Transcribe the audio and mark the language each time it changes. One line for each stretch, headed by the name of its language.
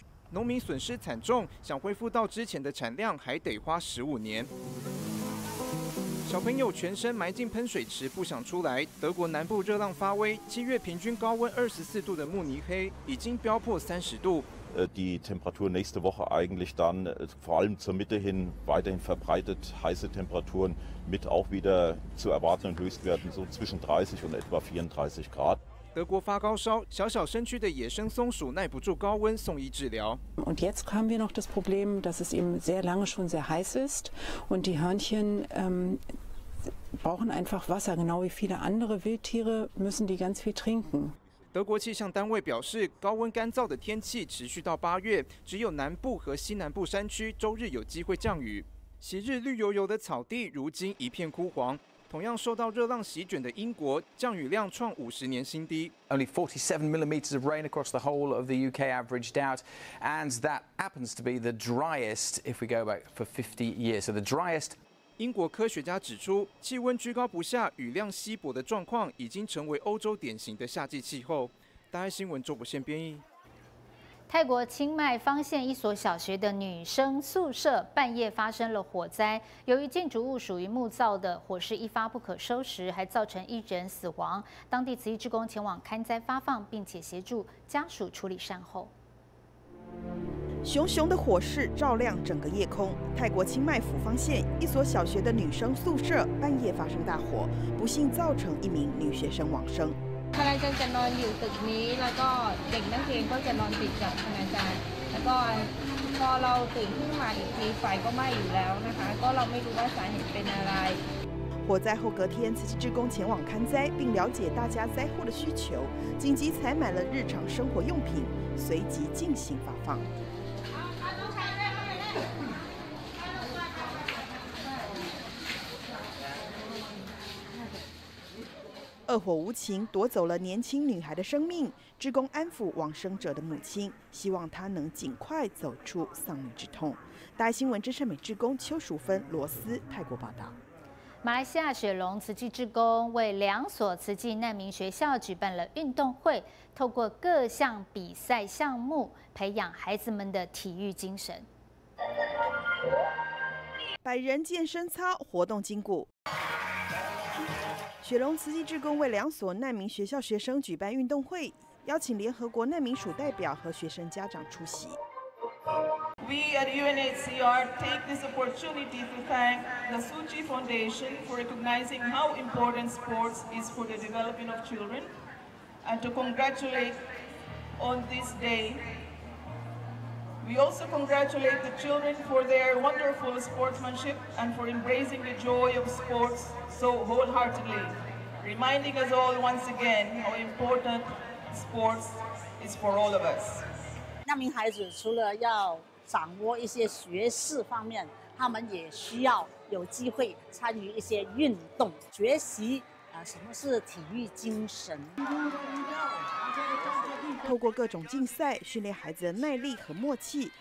Chinese: 农民损失惨重，想恢复到之前的产量，还得花15年。小朋友全身埋进喷水池不想出来。德国南部热浪发威，7月平均高温24度的慕尼黑已经飙破30度，
German: die Temperatur nächste Woche eigentlich dann vor allem zur Mitte hin weiterhin verbreitet heiße Temperaturen mit auch wieder zu erwartenden Höchstwerten so zwischen 30 und etwa 34 Grad.
Chinese: 德国发高烧，小小身躯的野生松鼠耐不住高温，送医治疗。
German: Und jetzt haben wir noch das Problem, dass es eben sehr lange schon sehr heiß ist und die Hörnchen brauchen einfach Wasser, genau wie viele andere Wildtiere müssen die ganz viel trinken。
Chinese: 德国气象单位表示，高温干燥的天气持续到八月，只有南部和西南部山区周日有机会降雨。昔日绿油油的草地，如今一片枯黄。同样受到热浪席卷的英国，降雨量创五十年新低。 Only 47 millimeters of rain across the whole of the UK averaged out, and that happens to be the driest if we go back for 50 years. So the driest. 英国科学家指出，气温居高不下、雨量稀薄的状况已经成为欧洲典型的夏季气候。大爱新闻周伯宪编译。泰国清迈方县一所小学的女生宿舍半夜发生了火灾，由于建筑物属于木造的，火势一发不可收拾，还造成一人死亡。当地慈济志工前往勘灾发放，并且协助家属处理善后。熊熊的火势照亮整个夜空。泰国清迈府方县一所小学的女生宿舍半夜发生大火，不幸造成一名女学生往生。
Thai: คณาจารย์จะนอนอยู่ตึกนี้แล้วก็เด็กนักเรียนก็จะนอนติดกับคณาจารย์แล้วก็พอเราตื่นขึ้นมาอีกทีไฟก็ไหม้อยู่แล้วนะคะก็เราไม่รู้ว่าสาเหตุเป็นอะไร
Chinese: 火灾后隔天，慈济志工前往勘灾，并了解大家灾后的需求，紧急采买了日常生活用品，随即进行发放。恶火无情夺走了年轻女孩的生命，志工安抚往生者的母亲，希望她能尽快走出丧女之痛。大爱新闻真善美志工邱淑芬、罗斯，泰国报道。马来西亚雪隆慈济志工为两所慈济难民学校举办了运动会，透过各项比赛项目培养孩子们的体育精神。百人健身操，活动筋骨。雪隆慈济志工为两所难民学校学生举办运动会，邀请联合国难民署代表和学生家长出席。
English: We at UNHCR take this opportunity to thank the Suji Foundation for recognizing how important sports is for the development of children, and to congratulate on this day. We also congratulate the children for their wonderful sportsmanship and for embracing the joy of sports so wholeheartedly. Reminding us all once again how important sports is for all of us.
Chinese: 难民孩子除了要掌握一些学识方面，他们也需要有机会参与一些运动，学习什么是体育精神。透过各种竞赛训练孩子的耐力和默契。